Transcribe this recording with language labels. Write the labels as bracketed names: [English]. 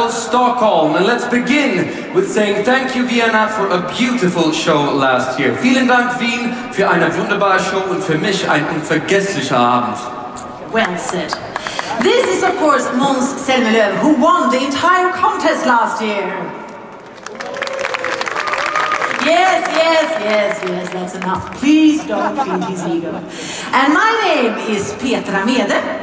[English] Thank you, Vienna, for a beautiful show last year. [German] Vielen Dank, Wien, für eine wunderbare Show und für mich ein unvergesslicher Abend. [English] Well said. This is, of course, Måns Zelmerlöw, who won the entire contest last year. Yes, yes, yes, yes, that's enough. Please don't feed his ego. And my name is Petra Mede.